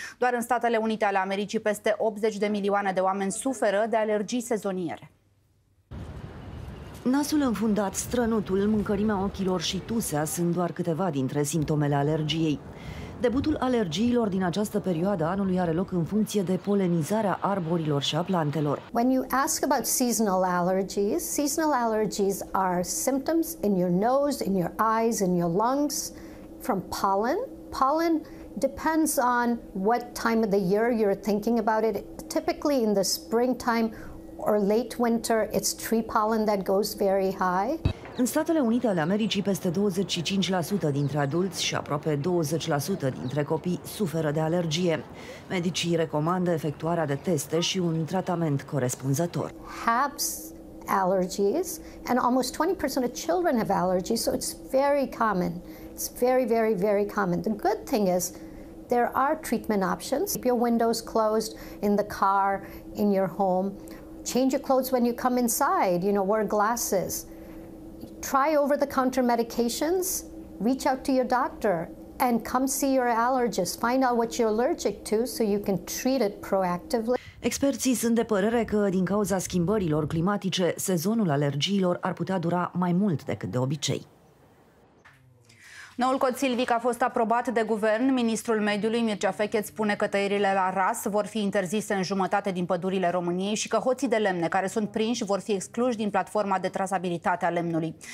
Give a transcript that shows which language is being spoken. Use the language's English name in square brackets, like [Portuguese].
[Romanian] Doar în Statele Unite ale Americii, peste 80 de milioane de oameni suferă de alergii sezoniere. Nasul înfundat, strănutul, mâncărimea ochilor și tusea sunt doar câteva dintre simptomele alergiei. Debutul alergiilor din această perioadă a anului are loc în funcție de polenizarea arborilor și a plantelor. [English] When you ask about seasonal allergies are symptoms in your nose, in your eyes, in your lungs from pollen. Pollen depends on what time of the year you're thinking about it. Typically in the springtime or late winter, it's tree pollen that goes very high. [Romanian] În Statele Unite ale Americii, peste 25% dintre adulți și aproape 20% dintre copii suferă de alergie. Medicii recomandă efectuarea de teste și un tratament corespunzător. [English] Habs allergies and almost 20% of children have allergies, so it's very common. It's very, very, very common. The good thing is there are treatment options. Keep your windows closed in the car, in your home. Change your clothes when you come inside, you know, wear glasses. Try over-the-counter medications, reach out to your doctor, and come see your allergist. Find out what you're allergic to so you can treat it proactively. [Romanian] Experții sunt de părere că, din cauza schimbărilor climatice, sezonul alergiilor ar putea dura mai mult decât de obicei. Noul cod silvic a fost aprobat de guvern. Ministrul Mediului Mircea Fechet spune că tăierile la ras vor fi interzise în jumătate din pădurile României și că hoții de lemne care sunt prinși vor fi excluși din platforma de trasabilitate a lemnului.